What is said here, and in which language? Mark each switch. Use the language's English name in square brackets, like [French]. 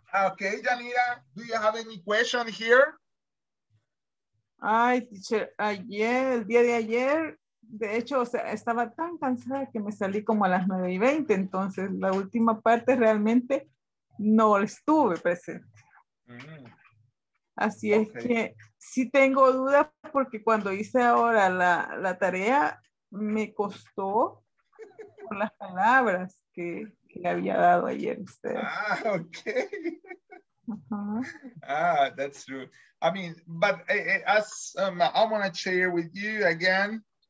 [English] Okay, Janira, do you have any question here? [Spanish] Ay, teacher, ayer, el día de ayer. De hecho, o sea, estaba tan cansada que me salí como a las 9:20. Entonces, la última parte realmente no estuve presente. Así okay. Es que sí tengo dudas porque cuando hice ahora la tarea, me costó con las palabras que le había dado ayer usted. [English] Ah, ok. Ah, that's true. I mean, but I'm going to share with you again.